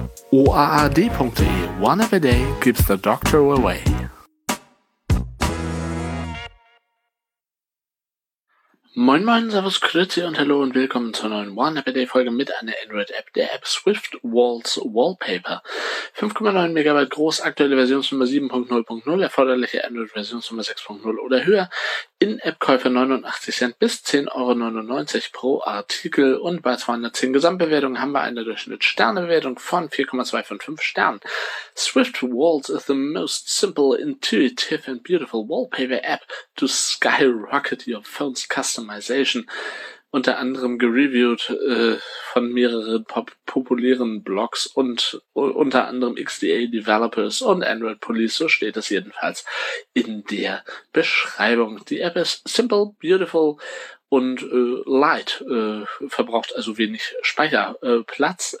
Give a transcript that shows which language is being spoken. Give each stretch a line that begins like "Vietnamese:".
English: oard.de, one of a day keeps the doctor away.
German: Moin moin, servus, grüezi und hallo und willkommen zur neuen One-App-Day-Folge mit einer Android-App, der App Swift Walls Wallpaper. 5,9 MB groß, aktuelle Versionsnummer 7.0.0, erforderliche Android-Versionsnummer 6.0 oder höher. In-App-Käufe 89 Cent bis 10,99 Euro pro Artikel und bei 210 Gesamtbewertungen haben wir eine Durchschnitt-Sterne-Bewertung von 4,25 Sternen.
English: Swift Walls is the most simple, intuitive and beautiful wallpaper app to skyrocket your phone's customization.
German: Unter anderem gereviewt von mehreren populären Blogs und unter anderem XDA Developers und Android Police, so steht es jedenfalls in der Beschreibung. Die App ist
English: simple, beautiful
German: und
English: light,
German: verbraucht also wenig Speicherplatz.